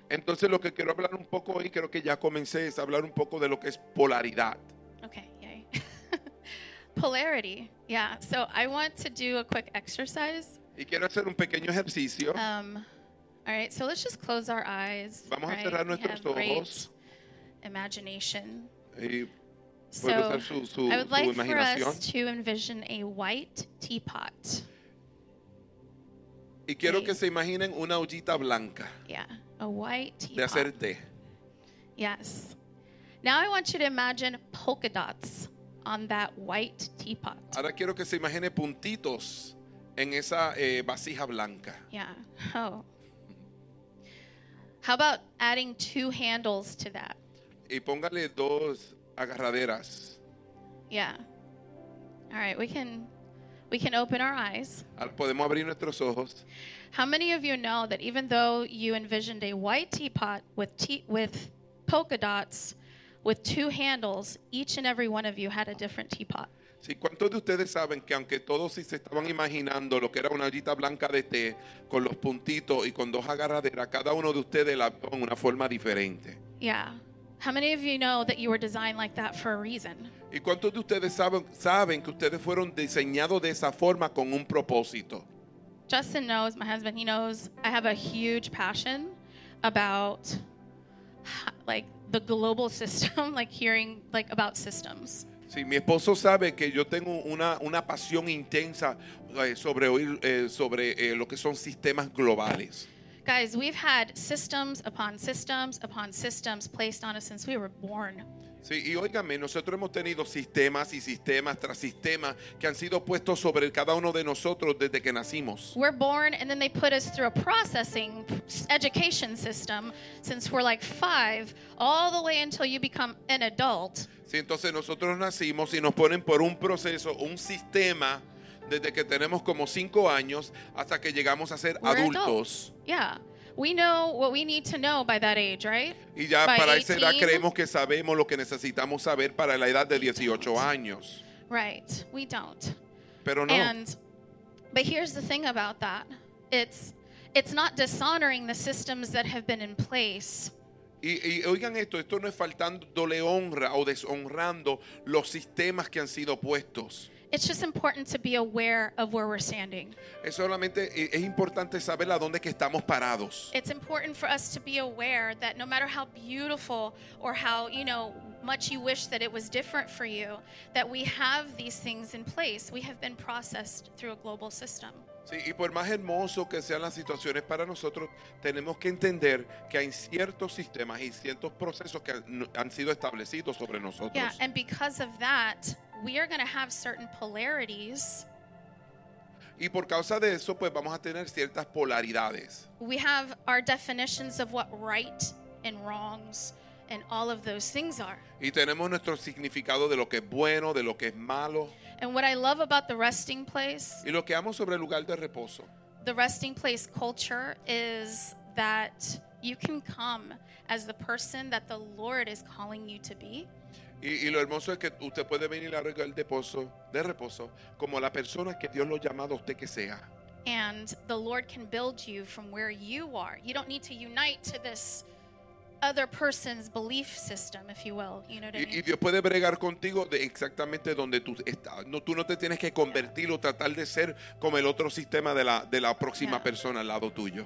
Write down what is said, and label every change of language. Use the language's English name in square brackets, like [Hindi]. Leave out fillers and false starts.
[Spanish] Entonces lo que quiero hablar un poco hoy, creo que ya comencé, es hablar un poco de lo que es polaridad. [English] Okay, yay. Polarity, yeah. So I want to do a quick exercise. [Spanish] Y quiero hacer un pequeño ejercicio. [English] All right, so let's just close our eyes. [Spanish] Vamos [English] right? [Spanish] a cerrar nuestros ojos. [English] Great imagination. [Spanish] Y puedo usar su [English] I would like for us to envision a white teapot. [Spanish] Y quiero que se imaginen una ollita blanca. [English] Yeah, a white teapot. [Spanish] De hacer té. [English] Yes. Now I want you to imagine polka dots on that white teapot. [Spanish] Ahora quiero que se imagine puntitos en esa vasija blanca. [English] Yeah. Oh. How about adding two handles to that? [Spanish] Y póngale dos agarraderas. [English] Yeah. All right, we can open our eyes. [Spanish] Podemos abrir nuestros ojos. [English] How many of you know that even though you envisioned a white teapot with polka dots with two handles, each and every one of you had a different teapot. [Spanish] Sí, ¿cuántos de ustedes saben que aunque todos sí se estaban imaginando lo que era una ollita blanca de té con los puntitos y con dos agarraderas, cada uno de ustedes la vio en una forma diferente? [English] Yeah. How many of you know that you were designed like that for a reason? [Spanish] ¿Y cuántos de ustedes saben que ustedes fueron diseñados de esa forma con un propósito? [English] Justin knows, my husband, he knows I have a huge passion about like the global system, like hearing like about systems. [Spanish] Sí, mi esposo sabe que yo tengo una pasión intensa sobre oír sobre lo que son sistemas globales. [English] Guys, we've had systems upon systems upon systems placed on us since we were born. [Spanish] Sí, y óigame, nosotros hemos tenido sistemas y sistemas tras sistemas que han sido puestos sobre cada uno de nosotros desde que nacimos. [English] We're born and then they put us through a processing education system since we're like 5 all the way until you become an adult. [Spanish] Sí, entonces nosotros nacimos y nos ponen por un proceso, un sistema desde que tenemos como 5 años hasta que llegamos a ser [English] we're [Spanish] adultos. [English] Adult. Yeah. We know what we need to know by that age, right? [Spanish] Y ya [English] by [Spanish] para 18, esa edad creemos que sabemos lo que necesitamos saber para la edad de 18 años. [English] Right, we don't. [Spanish] Pero no. [English] But here's the thing about that. It's not dishonoring the systems that have been in place. [Spanish] Y oigan esto, esto no es faltándole honra o deshonrando los sistemas que han sido puestos. [English] It's just important to be aware of where we're standing. [Spanish] Es solamente es importante saber a dónde que estamos parados. [English] It's important for us to be aware that no matter how beautiful or how, you know, much you wish that it was different for you, that we have these things in place. We have been processed through a global system. [Spanish] Sí, y por más hermoso que sean las situaciones para nosotros, tenemos que entender que hay ciertos sistemas y ciertos procesos que han sido establecidos sobre nosotros. [English] Yeah, and because of that, we are going to have certain polarities. [Spanish] Y por causa de eso, pues vamos a tener ciertas polaridades. [English] We have our definitions of what right and wrongs and all of those things are. [Spanish] Y tenemos nuestro significado de lo que es bueno, de lo que es malo. [English] And what I love about the resting place. [Spanish] Y lo que amo sobre el lugar de reposo. [English] The resting place culture is that you can come as the person that the Lord is calling you to be. [Spanish] Y lo hermoso es que usted puede venir al lugar de reposo como la persona que Dios lo ha llamado a usted que sea. [English] And the Lord can build you from where you are. You don't need to unite to this other person's belief system, if you will. You know what I mean? [Spanish] Y Dios puede bregar contigo de exactamente donde tú estás. No, tú no te tienes que convertir o tratar de ser como el otro sistema de la próxima persona al lado tuyo.